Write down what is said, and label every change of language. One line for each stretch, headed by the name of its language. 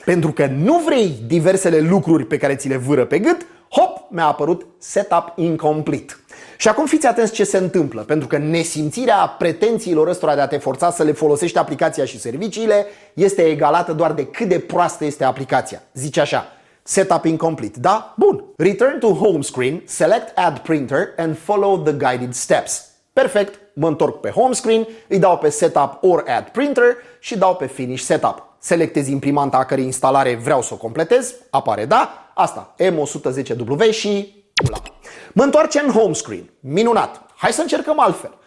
Romanian: Pentru că nu vrei diversele lucruri pe care ți le vâră pe gât, hop, mi-a apărut setup incomplet. Și acum fiți atenți ce se întâmplă, pentru că nesimțirea pretențiilor ăstora de a te forța să le folosești aplicația și serviciile este egalată doar de cât de proastă este aplicația. Zice așa, setup incomplet, da? Bun.
English: Return to home screen, select add printer and follow the guided steps.
Romanian: Perfect, mă întorc pe home screen, îi dau pe
English: setup or add printer
Romanian: și dau pe finish setup. Selectez imprimanta a cărei instalare vreau să o completez, apare da, asta, M110W și... Mă întoarce în home screen. Minunat. Hai să încercăm altfel.